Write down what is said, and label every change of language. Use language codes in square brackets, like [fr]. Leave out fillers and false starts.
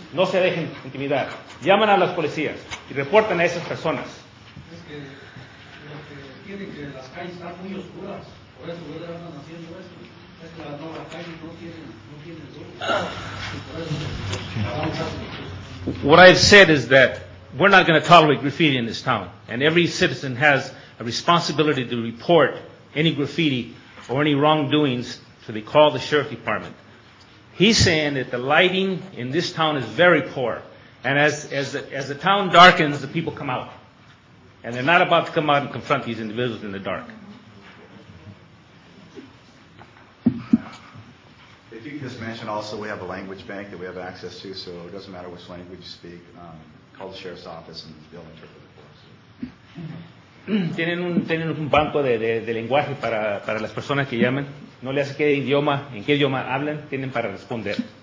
[es] No se dejen intimidar. Llaman a las policías y reportan a esas personas. Es que lo que tienen que las calles están muy oscuras. Por eso ustedes andan haciendo esto. Es que la nueva calle no tiene luz. Por eso. [en] What I've said is that we're not going to tolerate graffiti in this town. And every citizen has a responsibility to report any graffiti or any wrongdoings, so they call the sheriff department. He's saying that the lighting in this town is very poor, and as the town darkens, the people come out, and they're not about to come out and confront these individuals in the dark. If you can just mention also, we have a language bank that we have access to, so it doesn't matter which language you speak. Call the sheriff's office and they'll interpret it for us. [es] Tienen un banco de lenguaje para las personas que llamen. No le hace qué idioma, en qué idioma hablan, tienen para responder.